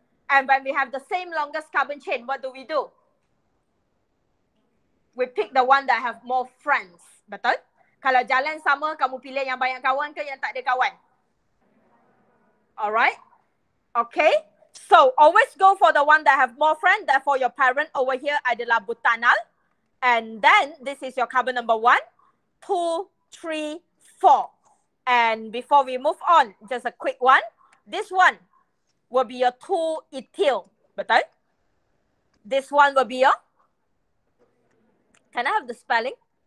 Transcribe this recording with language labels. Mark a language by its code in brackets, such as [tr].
[en] And when we have the same longest carbon chain, what do we do? We pick the one that have more friends. [ms] Betul? Kalau jalan sama, kamu pilih yang banyak kawan ke yang tak ada kawan? [en] Alright? Okay? So, always go for the one that have more friends. Therefore, your parent over here adalah butanal. And then, this is your carbon number one, two, three, four. And before we move on, just a quick one. This one will be your two ethyl. Betul? This one will be your... Can I have the spelling?